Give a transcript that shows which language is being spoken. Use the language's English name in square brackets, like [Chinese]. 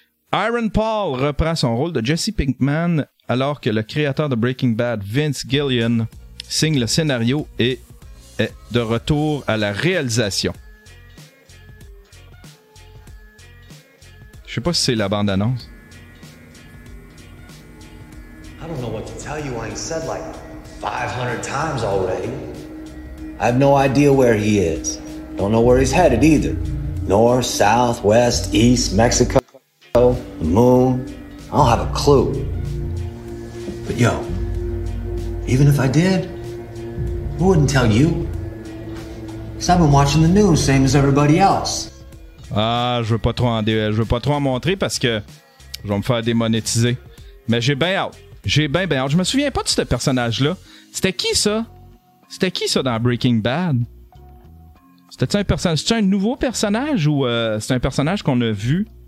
[French] Aaron Paul reprend son rôle de Jesse Pinkman alors que le créateur de Breaking Bad, Vince Gilligan, signe le scénario et est de retour à la réalisation. Je sais pas si c'est la bande-annonce. [English] I don't know what to tell you. I ain't said like 500 times already. I have no idea where he is. Don't know where he's headed either. North, south, west, east, Mexico. The moon, I don't have a clue. But yo, even if I did, who wouldn't tell you? Because I've been watching the news, same as everybody else. [French] Ah, je veux pas trop en montrer parce que je vais me faire démonétiser. Mais j'ai bien hâte. Je me souviens pas de ce personnage-là. C'était qui ça dans Breaking Bad? C'était-tu un nouveau personnage ou c'est un personnage qu'on a vu?